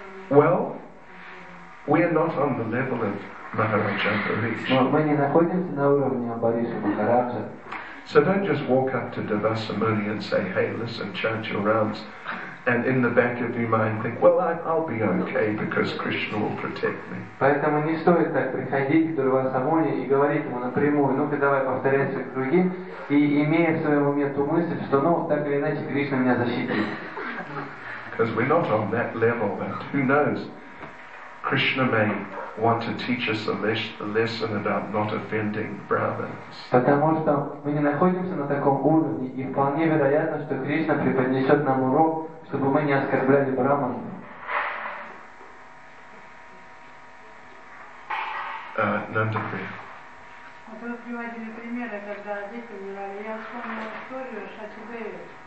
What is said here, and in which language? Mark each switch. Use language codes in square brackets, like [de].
[en] Well, we are not on the level of Maharaja Parikshit. So don't just walk up to Devasamuni and say, "Hey, listen, chant your rounds," and in the back of your mind think, "Well, I'll be okay because Krishna will protect me." [ru] Поэтому не стоит так приходить к Дурвасамуне и говорить ему напрямую, ну-ка давай повторяй свои круги, и имея в своем уме ту мысль, что ну так или иначе Кришна меня защитит. [en] Because we're not on that level, but who knows? Krishna may want to teach us a lesson about not offending Brahmins. [ru] Потому что мы не находимся на таком уровне, и вполне вероятно, что Кришна преподнесет нам урок, чтобы мы не оскорбляли Брахман. Нандаприя. Мы просто приводили примеры, когда дети умирали. Я вспомнила историю Шачидеви.